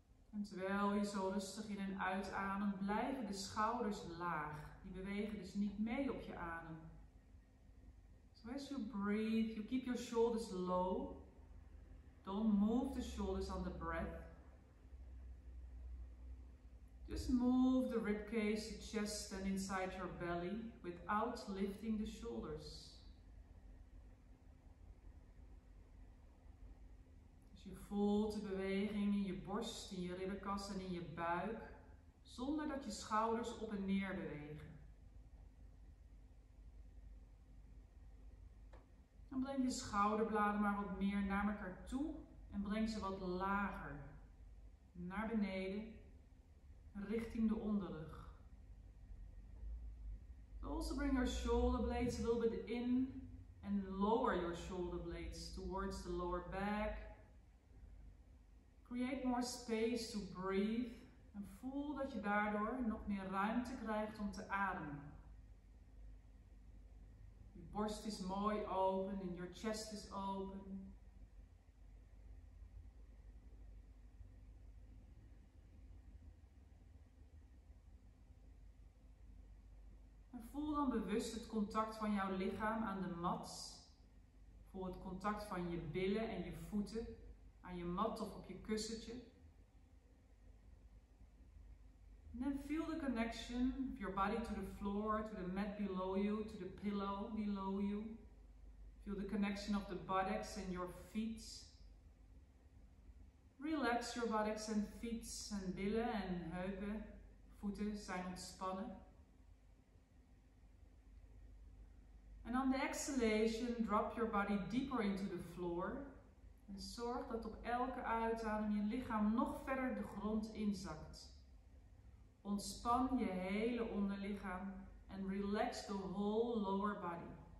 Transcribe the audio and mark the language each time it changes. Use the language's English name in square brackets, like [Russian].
[Dutch] En terwijl je zo rustig in en uitademt, blijven de schouders laag. Die bewegen dus niet mee op je adem. [English] So as you breathe, you keep your shoulders low. Don't move the shoulders on the breath. Just move the ribcage, the chest and inside your belly without lifting the shoulders. [Dutch] Dus je voelt de beweging in je borst, in je ribbenkast en in je buik zonder dat je schouders op en neer bewegen. Dan breng je schouderbladen maar wat meer naar elkaar toe en breng ze wat lager naar beneden richting de onderrug. [English] Also bring your shoulder blades a little bit in and lower your shoulder blades towards the lower back. Create more space to breathe [Dutch] en voel dat je daardoor nog meer ruimte krijgt om te ademen. Borst is mooi open en [English] your chest is open. [Dutch] En voel dan bewust het contact van jouw lichaam aan de mat. Voel het contact van je billen en je voeten aan je mat of op je kussentje. [English] And then feel the connection of your body to the floor, to the mat below you, to the pillow below you. Feel the connection of the buttocks and your feet. Relax your buttocks and feet and billen and heupen, [Dutch] voeten zijn ontspannen. [English] And on the exhalation, drop your body deeper into the floor. [Dutch] En zorg dat op elke uitadem je lichaam nog verder de grond inzakt. Ontspan je hele onderlichaam. [English] lichaam and relax the whole lower body.